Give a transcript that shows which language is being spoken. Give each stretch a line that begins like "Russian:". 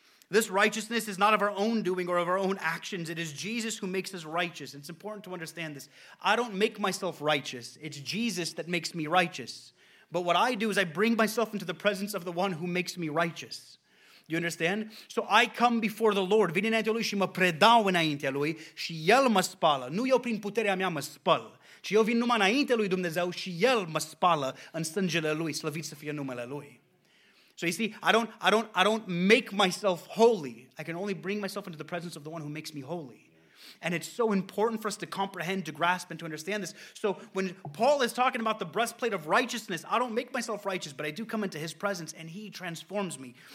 English: This righteousness is not of our own doing or of our own actions. It is Jesus who makes us righteous. It's important to understand this. I don't make myself righteous. It's Jesus that makes me righteous. But what I do is I bring myself into the presence of the one who makes me righteous. Do you understand? So I come before the Lord.
Romanian: Vin înaintea lui și mă predau înaintea lui și el mă spală. Nu eu prin puterea mea mă spăl, ci eu vin numai înaintea lui Dumnezeu și el mă spală în sângele lui. Slăvit să fie numele lui.
English: So you see, I don't make myself holy. I can only bring myself into the presence of the one who makes me holy. And it's so important for us to comprehend, to grasp, and to understand this. So when Paul is talking about the breastplate of righteousness, I don't make myself righteous, but I do come into his presence and he transforms me.